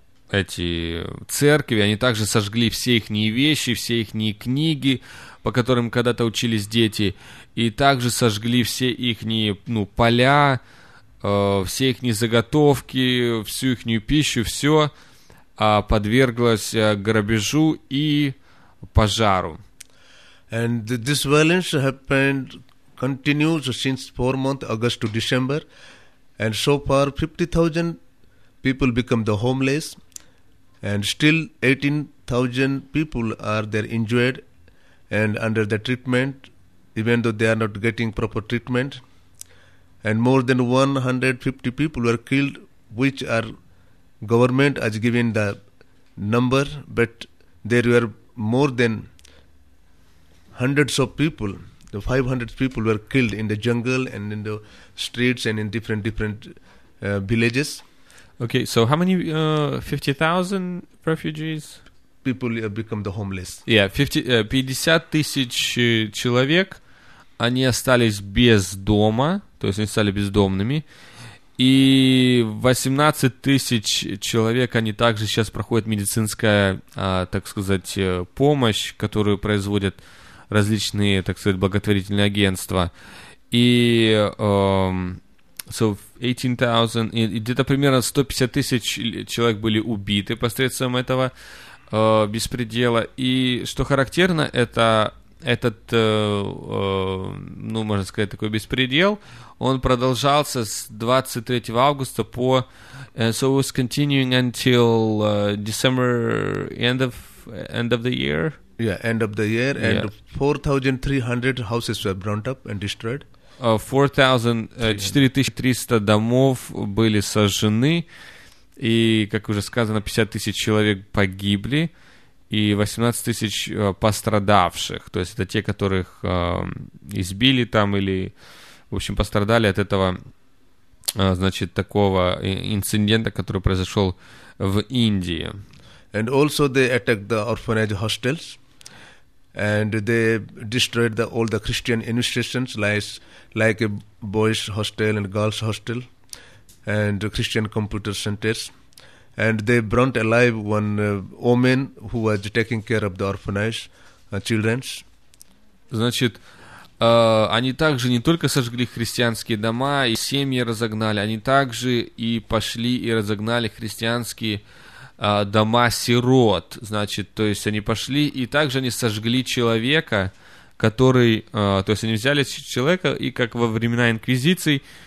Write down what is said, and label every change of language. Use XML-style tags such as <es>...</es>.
<ru>эти церкви, они также сожгли все их вещи, все их книги, по которым когда-то учились дети, и также сожгли все их поля, все их заготовки, всю их пищу, все подверглось грабежу и пожару.</ru> <en>And this violence happened, continues since 4 months, August to December. And so far, 50,000 people become the homeless, and still 18,000 people are there injured and under the treatment, even though they are not getting proper treatment. And more than 150 people were killed, which our government has given the number, but there were more than hundreds of people. The 500 people were killed in the jungle and in the streets and in different villages. Okay, so how many 50,000 refugees? People have become the homeless. Yeah,</en> <ru>50 тысяч человек, они остались без дома, то есть они стали бездомными. И 18 тысяч человек, они также сейчас проходят медицинская, так сказать, помощь, которую производят различные, так сказать, благотворительные агентства. И,</ru> <en>so 18,000,</en> <ru>и где-то примерно 150 тысяч человек были убиты посредством этого беспредела. И что характерно, это этот, можно сказать, такой беспредел, он продолжался с 23 августа по...</ru> <en>So it was continuing until December, end of the year? Yeah, end of the year, and yeah. 4,300 houses were burnt up and destroyed.</en> <ru>4,300 домов были сожжены, и, как уже сказано, 50 тысяч человек погибли, и 18 тысяч пострадавших, то есть это те, которых избили там или, в общем, пострадали от этого, значит, такого инцидента, который произошел в Индии.</ru> <en>And also they attacked the orphanage hostels. And they destroyed all the Christian institutions, like a boys' hostel and girls' hostel, and Christian computer centers. And they burnt alive one woman who was taking care of the orphanage children.</en> <ru>Значит, они также не только сожгли христианские дома и семьи разогнали, они также и пошли и разогнали христианские дома сирот, значит, то есть они пошли, и также они сожгли человека, который, то есть они взяли человека, и как во времена инквизиции,</ru>